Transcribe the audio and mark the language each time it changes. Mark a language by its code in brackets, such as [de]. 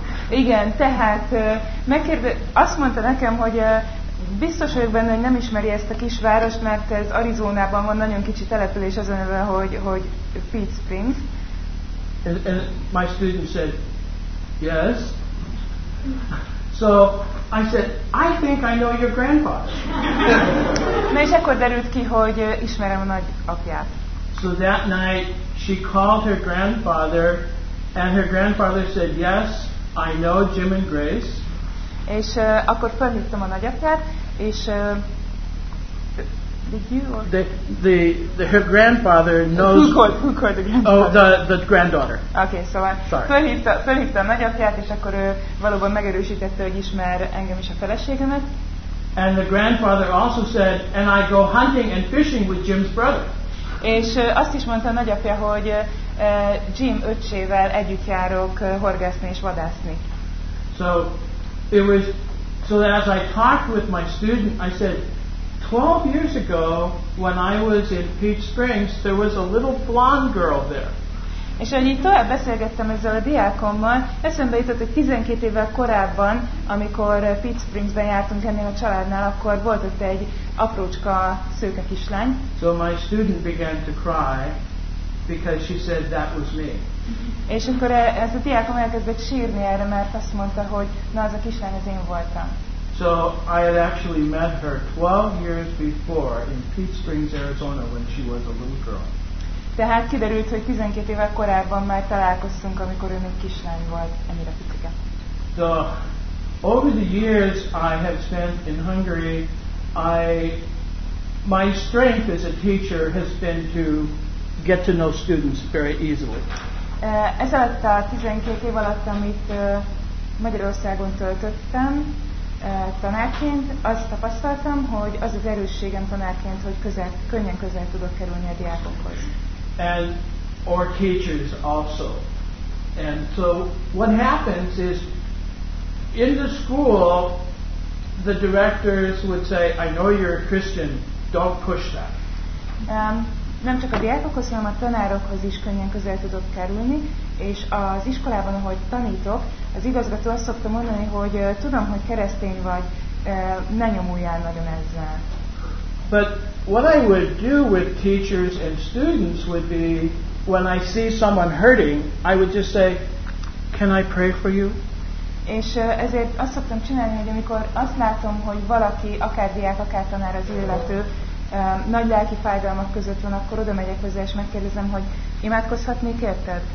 [hu] Igen, tehát azt mondta nekem, hogy biztos vagyok benne, hogy nem ismeri ezt a kisvárost, mert ez Arizonában van, nagyon kicsi település az a neve, hogy Peach Springs. [en] And my student said, yes. So I said, I think I know your grandpa. [hu] Na és akkor derült ki, hogy ismerem a nagyapját. [en] So that night she called her grandfather, and her grandfather said, yes, I know Jim and Grace. [hu] És akkor felhívtam a nagyapját, és [en] her grandfather knows. Who called the grandfather? Oh, the granddaughter. Okay, so [hu] felhívta a nagyapját, és akkor ő valóban megerősítette, hogy ismer engem és a feleségemet. [en] And the grandfather also said, and I go hunting and fishing with Jim's brother. [hu] És azt is mondta a nagyapja, hogy Jim öccsével együtt járok horgászni és vadászni. [en] So as I talked with my student, I said, 12 years ago, when I was in Peach Springs, there was a little blonde girl there. [hu] És ahogy így tovább beszélgettem ezzel a diákommal, eszembe jutott, hogy 12 évvel korábban, amikor Peach Springsben jártunk ennél a családnál, akkor volt ott egy aprócska szőke kislány. [en] So my student began to cry, because she said that was me. [hu] És akkor ez a diákom elkezdett sírni erre, mert azt mondta, hogy na, az a kislány az én voltam. [en] So I had actually met her 12 years before in Peach Springs, Arizona, when she was a little girl. [hu] Tehát kiderült, hogy 12 évvel korábban már találkoztunk, amikor ő még kislány volt, ennyire picike. [en] So, over the years I have spent in Hungary, my strength as a teacher has been to get to know students very easily. [hu] Ez alatt a 12 év alatt, amit Magyarországon töltöttem tanárként, azt tapasztaltam, hogy az az erősségem tanárként, hogy könnyen közel tudok kerülni a diákokhoz. [en] And our teachers also. And so what happens is, in the school, the directors would say, I know you're a Christian, don't push that. [hu] Nem csak a diákokhoz, hanem a tanárokhoz is könnyen közel tudok kerülni, és az iskolában, ahogy tanítok, az igazgató azt szokta mondani, hogy tudom, hogy keresztény vagy, ne nyomuljál nagyon ezzel. [en] But what I would do with teachers and students would be, when I see someone hurting, I would just say, can I pray for you? [hu] És ezért azt szoktam csinálni, hogy amikor azt látom, hogy valaki, akár diák, akár tanár az illető, nagy lelki fájdalmak között van, akkor oda megyek hozzá, és megkérdezem, hogy imádkozhatnék érted?